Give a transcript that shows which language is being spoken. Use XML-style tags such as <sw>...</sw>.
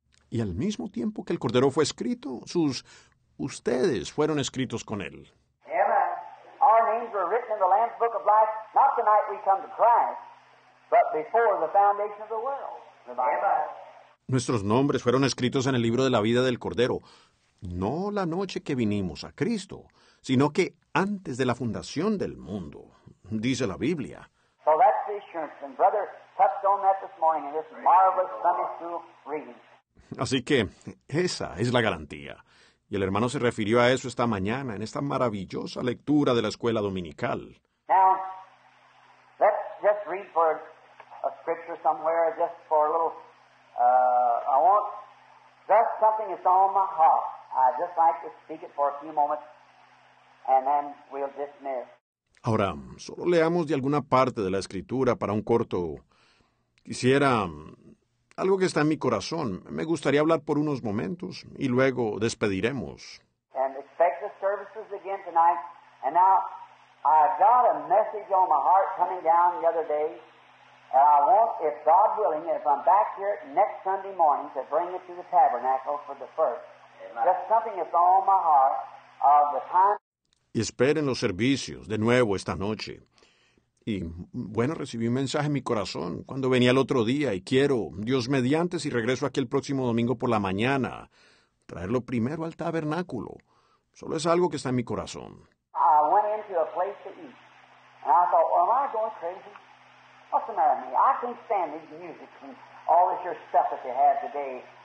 <es>Y al mismo tiempo que el cordero fue escrito, ustedes fueron escritos con él.</es> <en>Our names were written in the Lamb's Book of Life, not the night we come to Christ. But before the foundation of the world. Amen.</en> <es>Nuestros nombres fueron escritos en el libro de la vida del Cordero, no la noche que vinimos a Cristo, sino que antes de la fundación del mundo, dice la Biblia.</es> <en>So that's the assurance, and brother touched on that this morning in this marvelous Sunday school reading.</en> <es>Así que esa es la garantía. Y el hermano se refirió a eso esta mañana en esta maravillosa lectura de la escuela dominical.</es> <en>Now, let's just read for a scripture somewhere, just for a little, I want, just something that's on my heart. I'd just like to speak it for a few moments, and then we'll dismiss.</en> <es>Ahora, solo leamos de alguna parte de la escritura para un corto. Quisiera algo que está en mi corazón. Me gustaría hablar por unos momentos y luego despediremos.</es> <en>And expect the services again tonight. And now, I got a message on my heart coming down the other day. And I want, if God willing, if I'm back here next Sunday morning to bring it to the tabernacle for the first. Amen. Just something that's on my heart of the time.</en> <es>Y esperen los servicios de nuevo esta noche. Y bueno, recibí un mensaje en mi corazón cuando venía el otro día y quiero, Dios mediante, si regreso aquí el próximo domingo por la mañana, traerlo primero al tabernáculo. Solo es algo que está en mi corazón.</es> <en>I went into a place to eat. And I thought, well, am I going crazy? What's the matter with me? I can't stand these music and all this your stuff that you have today.</en>